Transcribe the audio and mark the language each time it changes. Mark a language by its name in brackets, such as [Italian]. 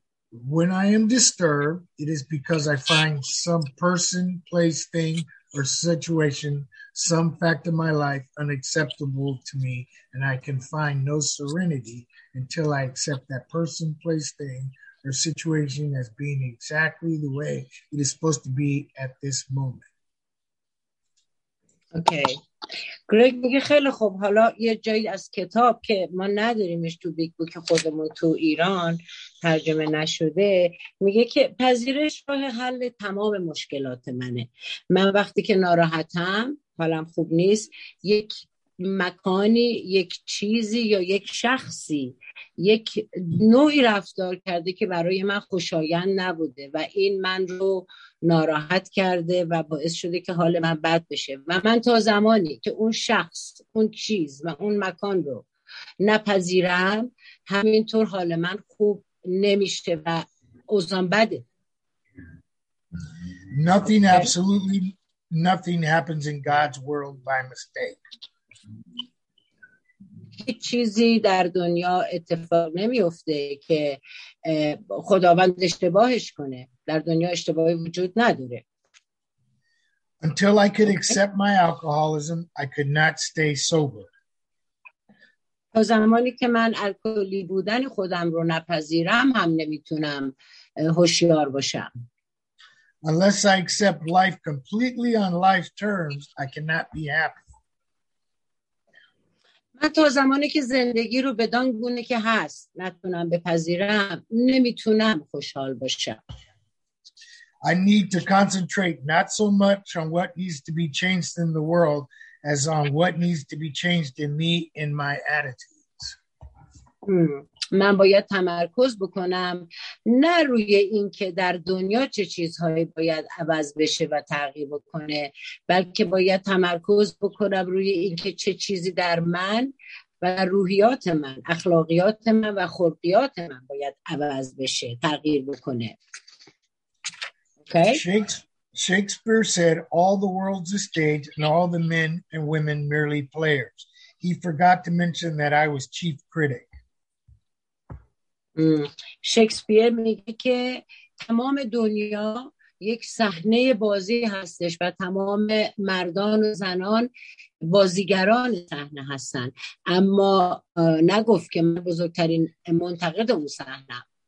[English] When I am disturbed, it is because I find some person, place, thing, or situation, some fact of my life unacceptable to me, and I can find no serenity until I accept that person, place, thing, or situation as being exactly the way it is supposed to be at this moment. Okay. [Persian] گرگ میگه خیلی خوب، حالا یه جایی از کتاب که ما نداریمش تو بیگ بوک خودمون تو ایران ترجمه نشده، میگه که پذیرش راه حل تمام مشکلات منه. من وقتی که ناراحتم، حالم خوب نیست، یک مکانی، یک چیزی یا یک شخصی یک نوعی رفتار کرده که برای من خوشایند نبوده و این من رو ناراحت کرده و باعث شده که حال من بد بشه و من تا زمانی که اون شخص، اون چیز و اون مکان رو نپذیرم، همینطور حال من خوب نمیشه و اوضاعم بده. [English] Nothing, absolutely nothing happens in God's world by mistake. [Persian] هیچ چیزی در دنیا اتفاق نمیفته که خداوند اشتباهش کنه. در دنیا اشتباهی وجود نداره. [English] Until I could accept my alcoholism, I could not stay sober. [Persian] تا زمانی که من الکلی بودن خودم رو نپذیرم، هم نمیتونم هوشیار باشم. [English] Unless I accept life completely on life terms, I cannot be happy. [Persian] من تا زمانی که زندگی رو بدان گونه که هست نتونم بپذیرم، نمیتونم خوشحال باشم. [English] I need to concentrate not so much on what needs to be changed in the world as on what needs to be changed in me and my attitudes. [Persian] من باید تمرکز بکنم نه روی این که در دنیا چه چیزهایی باید عوض بشه و تغییر بکنه، بلکه باید تمرکز بکنم روی این که چه چیزی در من و روحیات من، اخلاقیات من و خلقیات من باید عوض بشه، تغییر بکنه. [English] Okay? Shakespeare said all the world's a stage and all the men and women merely players. He forgot to mention that I was chief critic. [Persian] شکسپیر میگه که تمام دنیا یک صحنه بازی هستش و تمام مردان و زنان بازیگران صحنه هستن، اما نگفت که من بزرگترین منتقد اون صحنه.